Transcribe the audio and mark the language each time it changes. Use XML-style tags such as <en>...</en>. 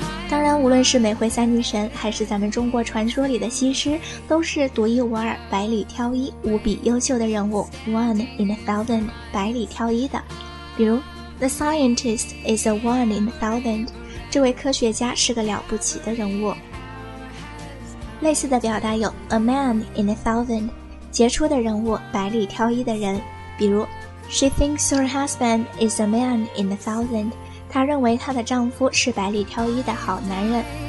<zh>当然，无论是美惠三女神，还是咱们中国传说里的西施，都是独一无二、百里挑一、无比优秀的人物。</zh> <en>One in a thousand，</en> <zh>百里挑一的，比如。</zh> <en>The scientist is a one in a thousand.</en> <zh>这位科学家是个了不起的人物。类似的表达有</zh> <en>a man in a thousand，</en> <zh>杰出的人物，百里挑一的人。比如</zh> <en>，She thinks her husband is a man in a thousand.</en> <zh>她认为她的丈夫是百里挑一的好男人。</zh>